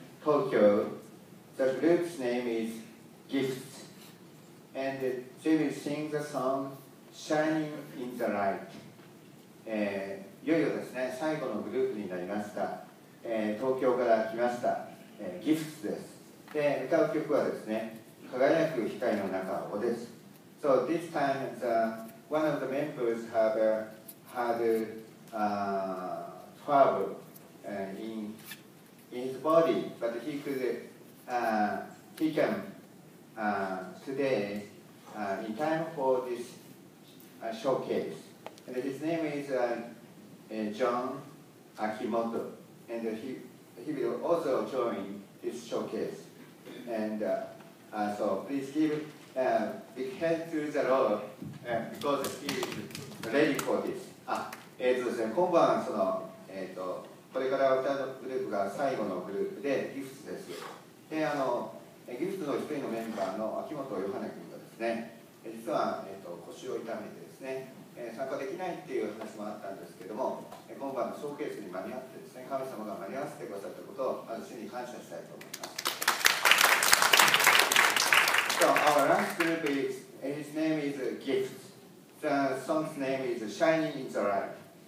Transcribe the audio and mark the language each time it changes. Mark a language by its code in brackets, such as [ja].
[en] Tokyo, the group's name is Gifts, and they will sing the song Shining in the Light. [ja] いよいよですね、最後のグループになりました。東京から来ました、Gifts です。で、歌う曲はですね、輝く光の中をです。 [en] So this time, one of the members have had trouble in his body, but he could, he came today in time for this showcase. And his name is John Akimoto, and he will also join this showcase. And so please give a big hand to the Lord, because he is ready for this. [ja] これから歌うグループが最後のグループで、ギフスです。で、ギフスの一人のメンバーの秋元ヨハネ君がですね、実は、腰を痛めてですね、参加できないっていう話もあったんですけども、今晩のショーケースに間に合ってですね、神様が間に合わせてくださったことを、まず主に感謝したいと思います。 [en] So, our last group is, his name is Gift. The song's name is Shining in the Light.